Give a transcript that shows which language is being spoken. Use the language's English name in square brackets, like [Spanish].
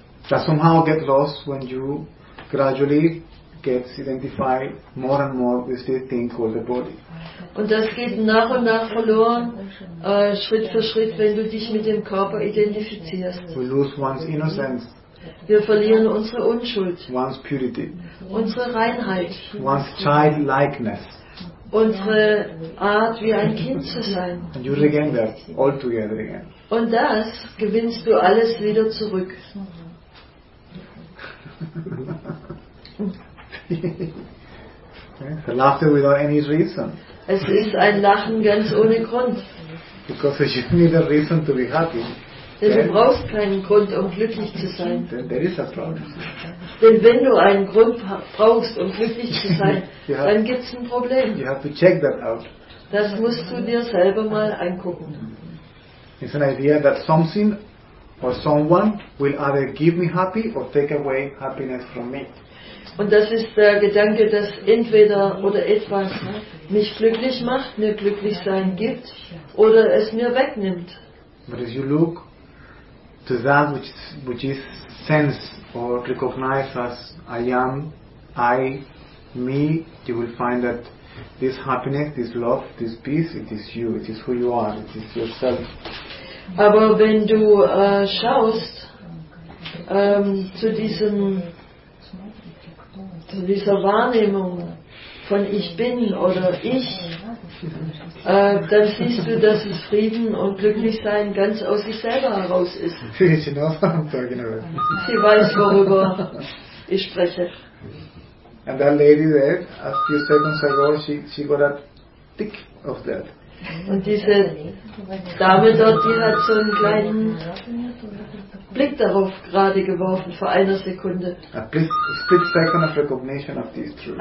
[English] That somehow gets lost when you gradually get identified more and more with the thing called the body. [German] Und das geht nach und nach verloren, Schritt für Schritt, wenn du dich mit dem Körper identifizierst. [English] We lose one's innocence. [German] Wir verlieren unsere Unschuld. [English] One's purity. [German] Unsere Reinheit. [English] One's childlikeness. [German] Unsere Art, wie ein Kind zu sein. [English] And you regain that all together again. [German] Und das gewinnst du alles wieder zurück. [English] A laughter without any reason. [German] Es ist ein Lachen ganz ohne Grund. [English] Because you need a reason to be happy. [German] Denn du brauchst keinen Grund, um glücklich zu sein. [English] There is a problem. [German] Denn wenn du einen Grund brauchst, um glücklich zu sein, dann gibt es ein Problem. [English] You have to check that out. [German] Das musst du dir selber mal angucken. [English] It's an idea that something or someone will either give me happy or take away happiness from me. [German] Und das ist der Gedanke, dass entweder oder etwas mich glücklich macht, mir glücklich sein gibt, oder es mir wegnimmt. [English] But as you look to that which is sense or recognized as I am, I, me, you will find that this happiness, this love, this peace, it is you, it is who you are, it is yourself. [German] Aber wenn du schaust zu dieser Wahrnehmung von Ich Bin oder Ich, dann siehst du, dass es Frieden und Glücklichsein ganz aus sich selber heraus ist. Sie weiß, worüber ich spreche. [English] And that lady there, a few seconds ago, she got a tick of that. [German] Und diese Dame dort, die hat so einen kleinen Blick darauf gerade geworfen, vor einer Sekunde. [English] A split second of recognition of these truths.